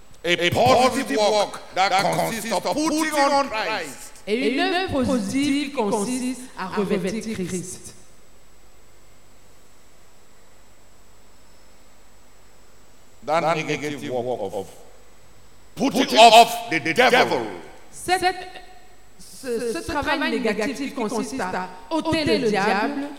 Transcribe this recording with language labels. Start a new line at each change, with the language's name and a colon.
English: A positive work that consists of putting on Christ.
French: Et une œuvre positive consiste à revêtir Christ.
English: That negative work of putting off the devil.
French: Ce travail négatif consiste à ôter le diable,